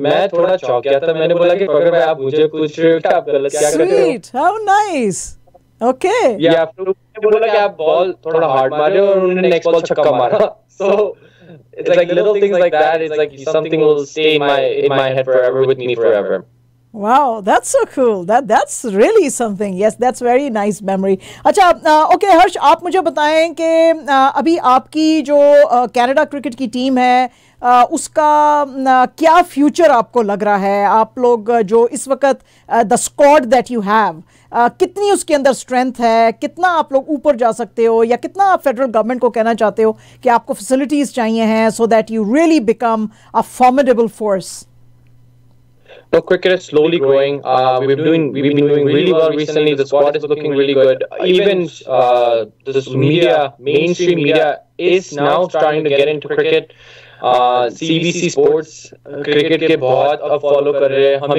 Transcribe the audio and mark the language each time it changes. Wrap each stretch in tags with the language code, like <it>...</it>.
<hi>मैं थोड़ा चौंक गया था, मैंने बोला कि फकर भाई आप मुझे पूछ रहे हो कि आप गलत क्या कर रहे हो.</hi> <en>Sweet, how nice. Okay,</en> <hi>या फिर उन्होंने बोला कि आप बॉल थोड़ा हार्ड मार रहे हो, और उन्होंने नेक्स्ट बॉल छक्का मारा.</hi> <en>So it's like little things like that, it's like something will stay in my head forever with me forever. Wow, that's so cool. That's really something. Yes, that's very nice memory.</en> <hi>अच्छा, okay, Harsh, आप मुझे बताएं कि अभी आपकी जो Canada cricket की team है, उसका क्या फ्यूचर आपको लग रहा है? आप लोग जो इस वक्त</hi> <en>the squad that you have,</en> <hi>कितनी उसके अंदर स्ट्रेंथ है, कितना आप लोग ऊपर जा सकते हो, या कितना आप फेडरल गवर्नमेंट को कहना चाहते हो कि आपको फैसिलिटीज चाहिए हैं</hi> <en>So that you really become a formidable force? So cricket is slowly growing. We've been doing really well recently. The squad is looking really good. Even this media, mainstream media, is now starting to get into cricket.</en> <hi>CBC Sports cricket ke bahut ab follow kar rahe hain.</hi>